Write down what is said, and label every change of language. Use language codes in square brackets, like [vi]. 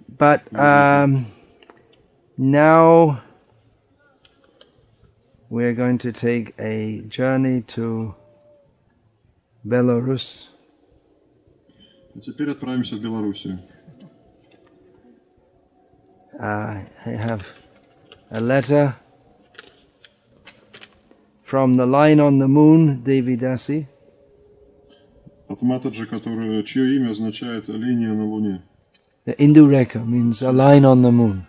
[en] But now we are going to take a journey to Belarus. [ru] Теперь отправимся в Белоруссию. [en] I have a letter from the line on the moon, Devi Dasi. [ru] От Матаджи, чье имя означает линия на луне. [en] The Indureka means a line on the moon.